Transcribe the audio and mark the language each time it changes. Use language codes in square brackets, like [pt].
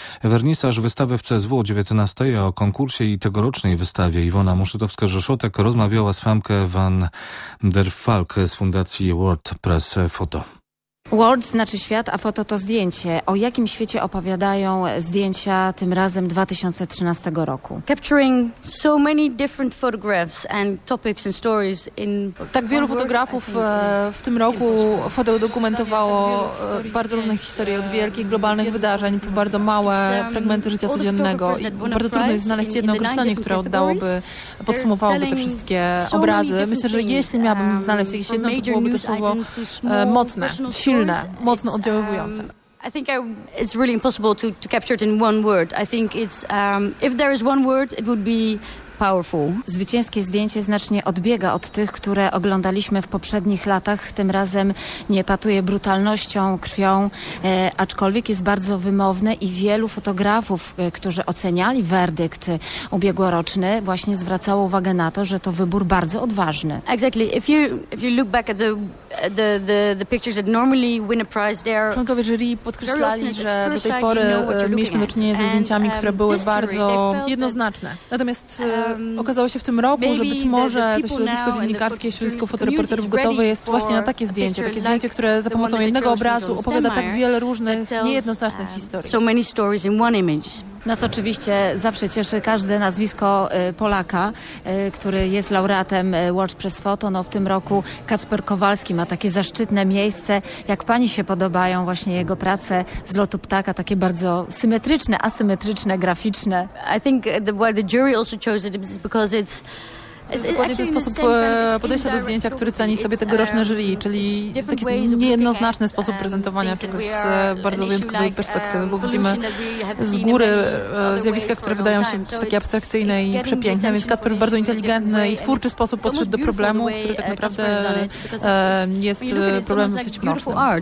[pl] Wernisaż wystawy w CSW o 19:00, o konkursie i tegorocznej wystawie Iwona Muszytowska-Rzeszotek rozmawiała z Famke van der Valk z Fundacji World Press Photo. World znaczy świat, a foto to zdjęcie. O jakim świecie opowiadają zdjęcia tym razem 2013 roku? [en] Capturing so many different photographs and topics and stories in. [pl] Tak wielu fotografów w tym roku foto dokumentowało bardzo różne historie, od wielkich globalnych wydarzeń po bardzo małe fragmenty życia codziennego. I bardzo trudno jest znaleźć jedno określenie, które oddałoby, podsumowałoby te wszystkie obrazy. Myślę, że jeśli miałabym znaleźć jakieś jedno, to byłoby to słowo mocne. Silne, mocno oddziaływujące. [en] I think it's really impossible to capture it in one word. I think it's if there is one word, it would be powerful. [pl] Zwycięskie zdjęcie znacznie odbiega od tych, które oglądaliśmy w poprzednich latach. Tym razem nie patuje brutalnością, krwią, aczkolwiek jest bardzo wymowne i wielu fotografów, którzy oceniali werdykt ubiegłoroczny, właśnie zwracało uwagę na to, że to wybór bardzo odważny. [en] Exactly. If you look back at the pictures that normally win a prize, they are. [pl] Członkowie jury podkreślali, że do tej pory mieliśmy do czynienia ze zdjęciami, które były bardzo jednoznaczne. Natomiast okazało się w tym roku, że być może to środowisko dziennikarskie, środowisko fotoreporterów gotowe jest właśnie na takie zdjęcie, które za pomocą jednego obrazu opowiada tak wiele różnych, niejednoznacznych historii. [en] So many stories in one image. [pl] Nas oczywiście zawsze cieszy każde nazwisko Polaka, który jest laureatem World Press Photo. No w tym roku Kacper Kowalski ma takie zaszczytne miejsce. Jak pani się podobają właśnie jego prace z lotu ptaka, takie bardzo symetryczne, asymetryczne, graficzne. [en] I think the jury also chose it because it's. [pl] To jest dokładnie ten sposób podejścia do zdjęcia, który ceni sobie tegoroczne jury, czyli taki niejednoznaczny sposób prezentowania czego z bardzo wyjątkowej perspektywy, bo widzimy z góry zjawiska, które wydają się takie abstrakcyjne i przepiękne, więc Kacper w bardzo inteligentny i twórczy sposób podszedł do problemu, który tak naprawdę jest problemem dosyć mrocznym.